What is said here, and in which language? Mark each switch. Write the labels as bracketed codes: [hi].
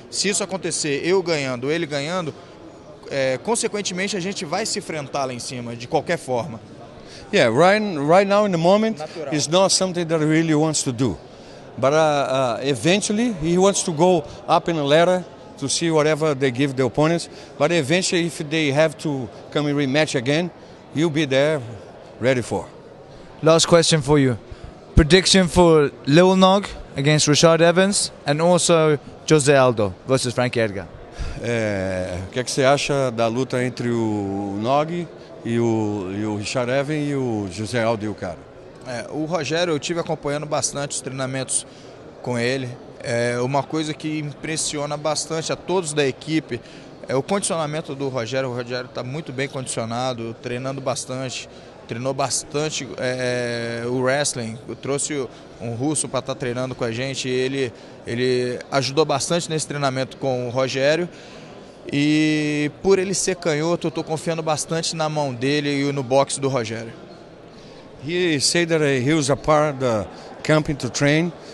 [pt] Se isso acontecer, eu ganhando, ele ganhando, consequentemente a gente vai se enfrentar lá em cima, de qualquer forma. [en] Yeah, right now in the moment is not something that he really wants to do, but eventually he wants to go up in a ladder to see whatever they give the opponents. But eventually, if they have to come and rematch again, he'll be there, ready for. Last question for you: prediction for Lil Nog against Rashad Evans, and also Jose Aldo versus Frankie Edgar. [pt] O que você acha da luta entre o Nog? E o Richard Evans e o José Aldo e o cara? O Rogério, eu estive acompanhando bastante os treinamentos com ele. Uma coisa que impressiona bastante a todos da equipe é o condicionamento do Rogério. O Rogério está muito bem condicionado, treinando bastante. Treinou bastante o wrestling. Eu trouxe um russo para estar treinando com a gente. Ele ajudou bastante nesse treinamento com o Rogério. E por ele ser canhoto, eu estou confiando bastante na mão dele e no boxe do Rogério. [en] He said that he was a part of the camping to train.